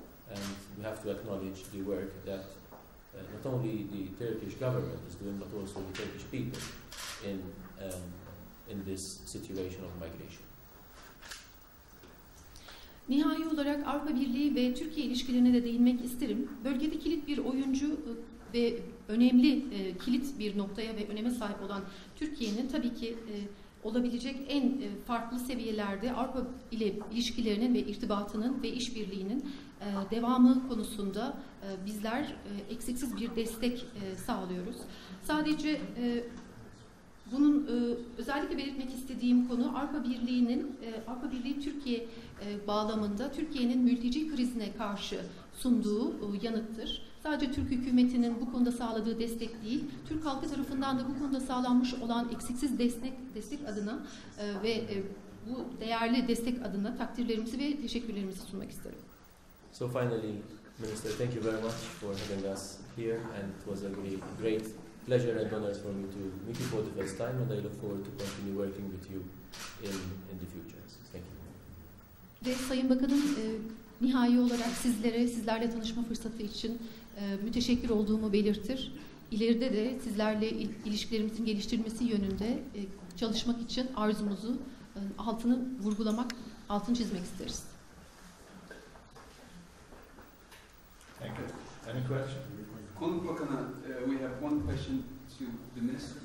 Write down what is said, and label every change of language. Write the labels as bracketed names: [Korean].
[English] And we have to acknowledge the work that not only the Turkish government is doing, but also the Turkish people in this situation of migration. [Turkish] Nihai olarak Avrupa Birliği ve Türkiye ilişkilerine de değinmek isterim. Bölgede kilit bir oyuncu ve önemli kilit bir noktaya ve öneme sahip olan Türkiye'nin tabii ki olabilecek en farklı seviyelerde Avrupa ile ilişkilerinin ve irtibatının ve işbirliğinin devamı konusunda bizler eksiksiz bir destek sağlıyoruz. Sadece bunun özellikle belirtmek istediğim konu Avrupa Birliği'nin, Avrupa Birliği Türkiye bağlamında Türkiye'nin mülteci krizine karşı sunduğu yanıttır. Sadece Türk hükümetinin bu konuda sağladığı destek değil, Türk halkı tarafından da bu konuda sağlanmış olan eksiksiz destek adına ve bu değerli destek adına takdirlerimizi ve teşekkürlerimizi sunmak isterim. [English] So finally, Minister, thank you very much for having us here, and it was a great pleasure and honor for me to meet you for the first time, and I look forward to continue working with you in the future. Thank you. [Turkish] Ve Sayın Bakanım, nihai olarak sizlerle tanışma fırsatı için müteşekkir olduğumu belirtir. İleride de sizlerle ilişkilerimizin geliştirilmesi yönünde çalışmak için arzumuzu altını çizmek isteriz. [English] Thank you. Any question? [Turkish] Konuk Bakanı, [English] we have one question to the minister.